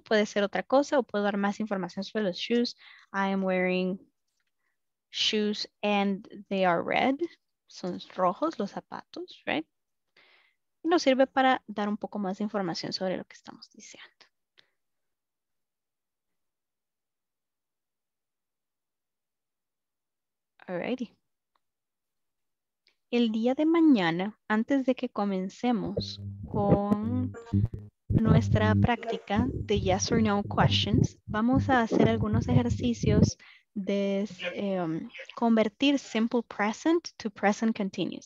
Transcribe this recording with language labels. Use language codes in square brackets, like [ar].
[es] Puede ser otra cosa o puedo dar más información sobre los shoes. [en] I am wearing shoes and they are red. [es] Son rojos los zapatos, right? Y nos sirve para dar un poco más de información sobre lo que estamos diciendo. Alrighty. El día de mañana, antes de que comencemos con nuestra práctica de [en] yes or no questions, [es] vamos a hacer algunos ejercicios de convertir [en] simple present to present continuous.